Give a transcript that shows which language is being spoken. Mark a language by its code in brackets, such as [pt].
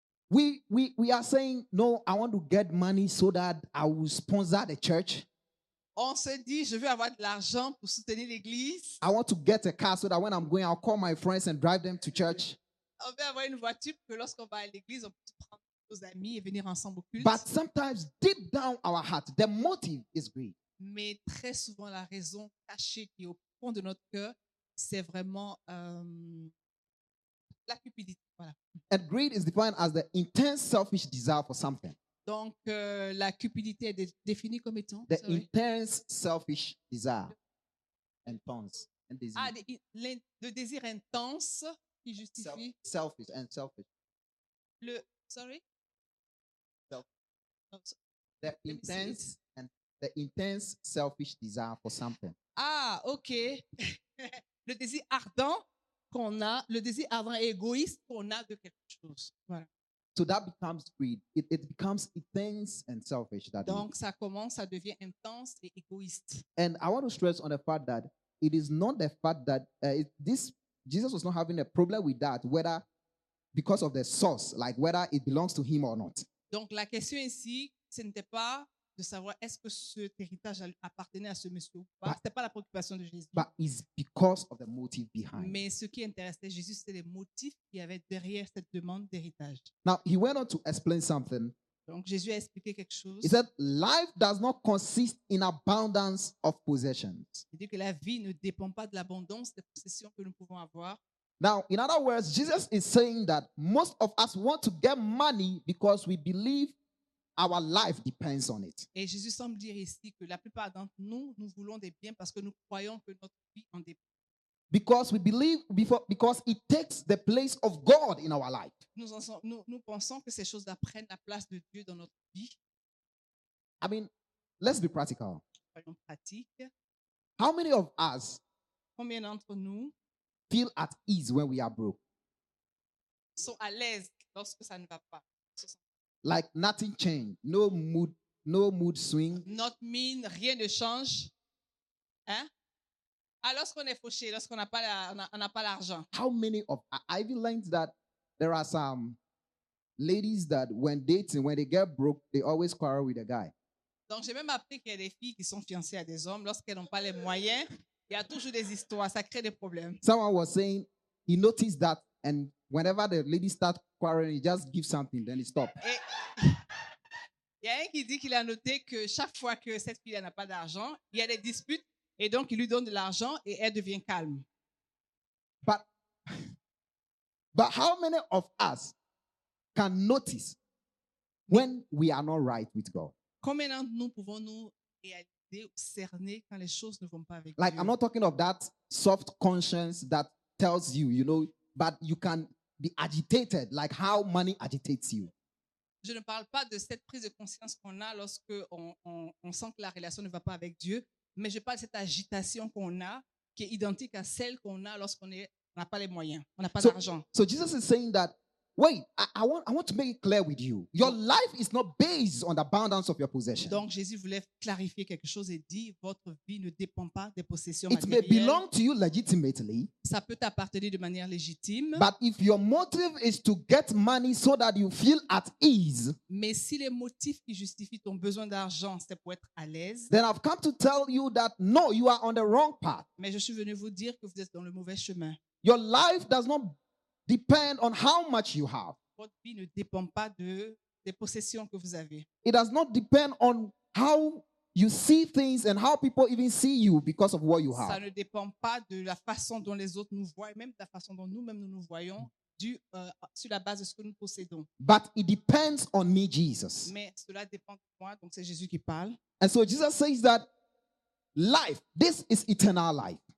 [en] We are saying no. I want to get money so that I will sponsor the church. [fr] On se dit, je veux avoir de l'argent pour soutenir l'église. [en] I want to get a car so that when I'm going, I'll call my friends and drive them to church. [fr] On veut avoir une voiture pour que lorsqu'on va à l'église, on puisse prendre nos amis et venir ensemble au culte. [en] But sometimes, deep down our heart, the motive is greed. [fr] Mais très souvent, la raison cachée qui est au fond de notre cœur, c'est vraiment la cupidité. Voilà. [en] And greed is defined as the intense selfish desire for something. [fr] Donc, la cupidité est définie comme étant... [en] The intense selfish desire. Intense. And desire. [fr] Ah, le désir intense qui justifie... [en] Selfish and selfish. [fr] Le... [en] Sorry? The intense selfish desire for something. Ah, ok. [fr] Le désir ardent qu'on a, le désir ardent et égoïste qu'on a de quelque chose. Voilà. [en] So that becomes greed. It becomes intense and selfish. That [fr] donc ça commence, ça devient intense et égoïste. [en] And I want to stress on the fact that it is not the fact that Jesus was not having a problem with that, whether because of the source, like whether it belongs to him or not. [fr] Donc la question ici, ce n'était pas de savoir est-ce que ce héritage appartenait à ce monsieur ou pas. C'était pas la préoccupation de Jésus. [en] But it's because of the motive behind. [fr] Mais ce qui intéressait Jésus, c'était les motifs qu'il y avait derrière cette demande d'héritage. [en] Now he went on to explain something. [fr] Donc Jésus a expliqué quelque chose. [en] He said, "Life does not consist in abundance of possessions." [fr] Il dit que la vie ne dépend pas de l'abondance des possessions que nous pouvons avoir. [en] Now, in other words, Jesus is saying that most of us want to get money because we believe our life depends on it. [fr] Et Jésus semble dire ici que la plupart d'entre nous, nous voulons des biens parce que nous croyons que notre vie en dépend. [en] Because we believe because it takes the place of God in our life. [fr] Nous pensons que ces choses prennent la place de Dieu dans notre vie. [en] I mean, let's be practical. [fr] Soyons pratiques. [en] How many of us? [fr] Combien d'entre nous? [en] Feel at ease when we are broke. [fr] So à l'aise lorsque ça ne va pas. [en] Like nothing changed. No mood swing. Not mean, [fr] rien ne change. Hein? Ah, lorsqu'on est fauché, lorsqu'on n'a pas, on a pas l'argent. [en] How many of, I've learned that there are some ladies that when dating, when they get broke, they always quarrel with a guy. [fr] Donc j'ai même appris qu'il y a des filles qui sont fiancées à des hommes lorsqu'elles n'ont pas les moyens. Il y a toujours des histoires, ça crée des problèmes. [en] Someone was saying he noticed that, and whenever the lady starts quarreling, he just gives something, then he stops. [fr] Il y a un qui dit qu'il a noté que chaque fois que cette fille n'a pas d'argent, il y a des disputes, et donc il lui donne de l'argent et elle devient calme. [en] But how many of us can notice when we are not right with God? [fr] Combien d'entre nous pouvons-nous réaliser? Cerner quand les choses ne vont pas avec [en] like [fr] Dieu. [en] I'm not talking of that soft conscience that tells you, you know, but you can be agitated, like how money agitates you. [fr] Je ne parle pas de cette prise de conscience qu'on a lorsque on sent que la relation ne va pas avec Dieu, mais je parle de cette agitation qu'on a qui est identique à celle qu'on a lorsqu'on n'a pas les moyens, on n'a pas d'argent. [en] So Jesus is saying that. Wait, I want to make it clear with you. Your life is not based on the abundance of your possessions. [fr] Donc Jésus voulait clarifier quelque chose et dit votre vie ne dépend pas des possessions matérielles. [en] It may belong to you legitimately. [fr] Ça peut t'appartenir de manière légitime. [en] But if your motive is to get money so that you feel at ease. [fr] Mais si les motifs qui justifient ton besoin d'argent c'est pour être à l'aise. [en] Then I've come to tell you that no, you are on the wrong path. [fr] Mais je suis venu vous dire que vous êtes dans le mauvais chemin. [en] Your life does not depend on how much you have. [fr] Votre vie ne dépend pas des possessions que vous avez. [en] It does not depend on how you see things and how people even see you because of what you have. [fr] Ça ne dépend pas de la façon dont les autres nous voient, même de la façon dont nous-mêmes nous voyons, sur la base de ce que nous possédons. [en] But it depends on me, Jesus. [fr] Mais cela dépend de moi, donc c'est Jésus qui parle. [en] And so Jesus says that life, this is eternal life.